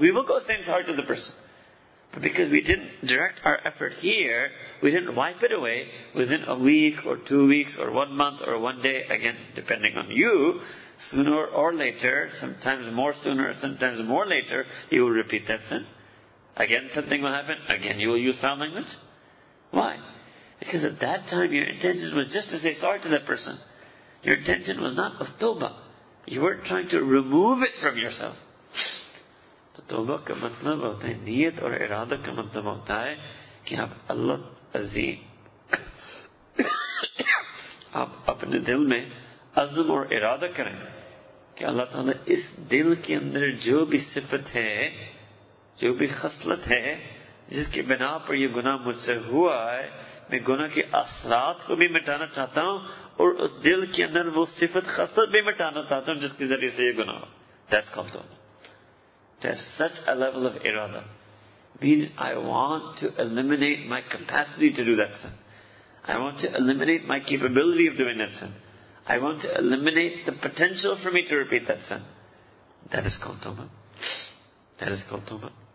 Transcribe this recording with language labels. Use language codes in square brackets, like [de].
[en] We will go saying sorry to the person. But because we didn't direct our effort here, we didn't wipe it away within a week or 2 weeks or 1 month or 1 day, again, depending on you, sooner or later, sometimes more sooner, sometimes more later, you will repeat that sin. Again, something will happen. Again, you will use foul language. Why? Because at that time, your intention was just to say sorry to that person. Your intention was not of tawbah. You weren't trying to remove it from yourself. [ur] توبہ کا مطلب ہوتا ہے نیت اور ارادہ کا مطلب ہوتا ہے کہ آپ اللہ عظیم آپ اپنے دل میں عزم اور ارادہ کریں کہ اللہ تعالیٰ اس دل کے اندر جو بھی صفت ہے جو بھی خصلت ہے جس کے بنا پر یہ گناہ مجھ سے ہوا ہے میں گناہ کے اثرات کو بھی مٹانا چاہتا ہوں اور اس دل کے اندر وہ صفت خصلت بھی مٹانا چاہتا ہوں جس کے ذریعے سے یہ گناہ ہو. [en] That's called توبہ. To have such a level of irada means I want to eliminate my capacity to do that sin. I want to eliminate my capability of doing that sin. I want to eliminate the potential for me to repeat that sin. That is called tawbah. That is called tawbah.